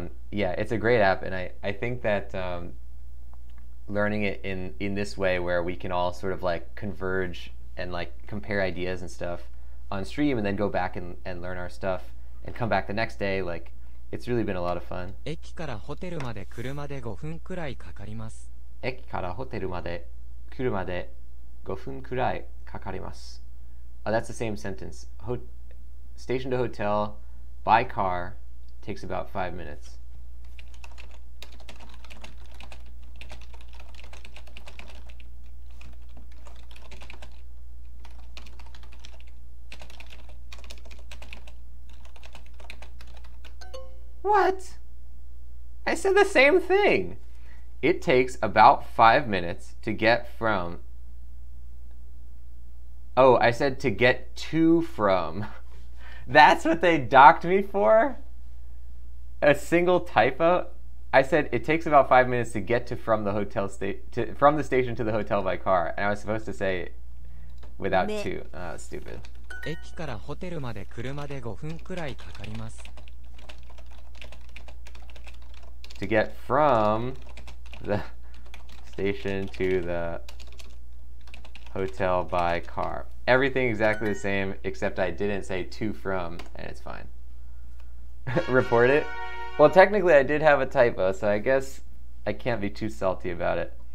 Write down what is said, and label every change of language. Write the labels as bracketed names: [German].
[English] Yeah, it's a great app, and I think that learning it in this way, where we can all sort of like converge and like compare ideas and stuff on stream, and then go back and learn our stuff and come back the next day, like, it's really been a lot of fun. [Japanese] 駅からホテルまで車で5分くらいかかります。駅からホテルまで車で5分くらいかかります。 [English] Oh, that's the same sentence. Station to hotel by car takes about 5 minutes. What? I said the same thing. It takes about 5 minutes to get from. Oh, I said to get to from. That's what they docked me for? A single typo? I said it takes about 5 minutes to get to from the hotel from the station to the hotel by car. And I was supposed to say without to. Oh, that was stupid. [Japanese] 駅からホテルまで車で5分くらいかかります。 [English] To get from the station to the hotel by car. Everything exactly the same, except I didn't say to from, and it's fine. Report it? Well, technically I did have a typo, so I guess I can't be too salty about it.